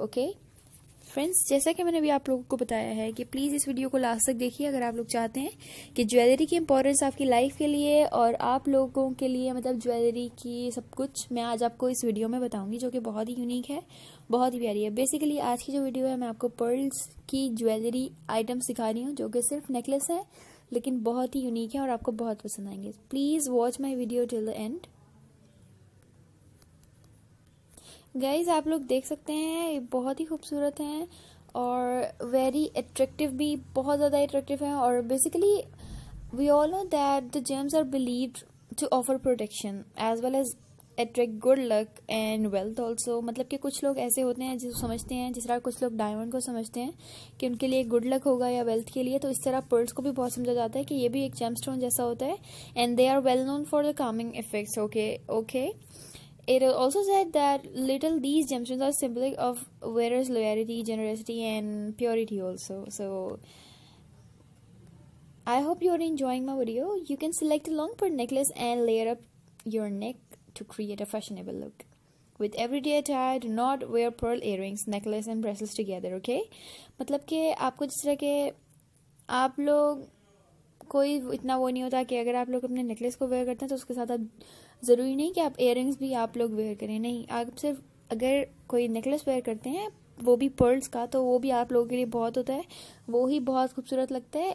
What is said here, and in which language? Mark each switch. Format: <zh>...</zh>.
<ur>Okay friends, جیسا کہ میں نے ابھی آپ لوگوں کو بتایا ہے کہ پلیز اس ویڈیو کو لاسٹ تک دیکھیے اگر آپ لوگ چاہتے ہیں کہ جویلری کی امپورٹینس آپ کی لائف کے لیے اور آپ لوگوں کے لیے، مطلب جویلری کی سب کچھ میں آج آپ کو اس ویڈیو میں بتاؤں گی، جو کہ بہت ہی یونیک ہے، بہت ہی پیاری ہے. بیسیکلی آج کی جو ویڈیو ہے، میں آپ کو پرلز کی جویلری آئٹم سکھا رہی ہوں جو کہ صرف نیکلس ہیں لیکن بہت ہی یونیک ہیں اور آپ کو بہت پسند آئیں گے.</ur> <en>Please watch my video till the end.</en> <ur>Guys, آپ لوگ دیکھ سکتے ہیں یہ بہت ہی خوبصورت ہیں اور ویری اٹریکٹیو بھی، بہت زیادہ اٹریکٹیو ہیں.</ur> <en>اور basically we all know that the gems are believed to offer protection as well as attract good luck and wealth also.</en> <ur>مطلب کہ کچھ لوگ ایسے ہوتے ہیں جس کو سمجھتے ہیں، جس طرح کچھ لوگ ڈائمنڈ کو سمجھتے ہیں کہ ان کے لیے گڈ لک ہوگا یا ویلتھ کے لیے، تو اس طرح پرلس کو بھی بہت سمجھا جاتا ہے کہ یہ بھی ایک جیم اسٹون جیسا ہوتا ہے.</ur> <en>And they are well known for the calming effects. Okay It is also said that little these gemstones are symbolic of wearer's loyalty, generosity and purity also. So, I hope you are enjoying my video. You can select a long pearl necklace and layer up your neck to create a fashionable look. With everyday attire, do not wear pearl earrings, necklace and bracelets together, okay?</en> <ur>مطلب کہ آپ کو جس طرح کے آپ لوگ کوئی اتنا وہ نہیں ہوتا کہ اگر آپ لوگ اپنے نیکلیس کو ویئر کرتے ہیں تو اس کے ساتھ آپ، ضروری نہیں کہ آپ ایئر رنگس بھی آپ لوگ ویئر کریں، نہیں. آپ صرف اگر کوئی نیکلیس ویئر کرتے ہیں وہ بھی پرلس کا، تو وہ بھی آپ لوگوں کے لیے بہت ہوتا ہے، وہ ہی بہت خوبصورت لگتا ہے.</ur>